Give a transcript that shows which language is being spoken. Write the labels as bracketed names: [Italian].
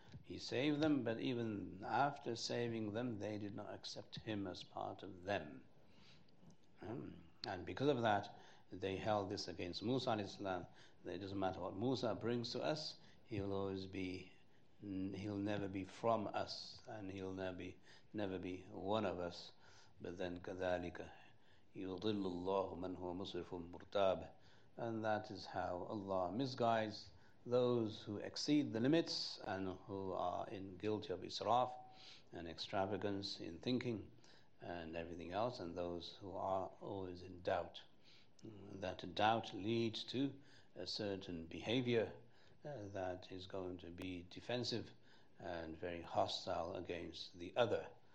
[English] He saved them, but even after saving them, they did not accept him as part of them. And because of that, they held this against Musa alayhi salam. It doesn't matter what Musa brings to us, he'll never be from us, and he'll never be one of us. But then [Arabic] كذلك يضل الله من هو مسرف مرتاب. [English] And that is how Allah misguides those who exceed the limits and who are in guilty of israf and extravagance in thinking and everything else, and those who are always in doubt. That doubt leads to a certain behavior that is going to be defensive and very hostile against the other.